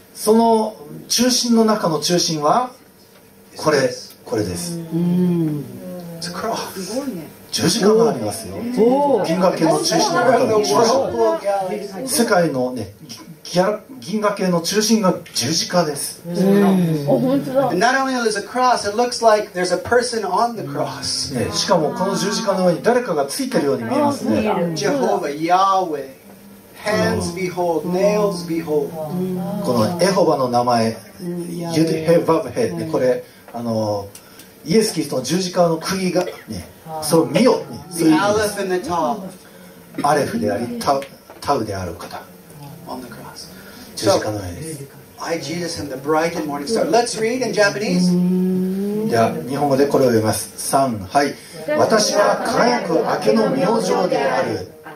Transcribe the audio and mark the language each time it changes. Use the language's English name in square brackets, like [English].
[Japanese] その中心の中の中心はこれ、これです。 [English] The cross. [Japanese] 十字架がありますよ。銀河系の中心の中の中心。世界のね、銀河系の中心が十字架です。 [English] Not only is a cross, it looks like there's a person on the cross. [Japanese] しかもこの十字架の上に誰かがついてるように見えますね。 [English] Jehovah Yahweh. Hands behold, nails behold. [Japanese] このエホバの名前、ユデヘバブヘで、これあのイエスキリストの十字架の釘がね、それを見よ、ね、そういう意味です。 [English] The Aleph and the Tav. [Japanese] アレフであり、タウである方。 [English] On the cross. [Japanese] 十字架の上です。 [English] So, I Jesus am the bright and morning star. Let's read in Japanese. [Japanese] じゃあ日本語でこれを読みます。三、はい。私は輝く明けの明星である。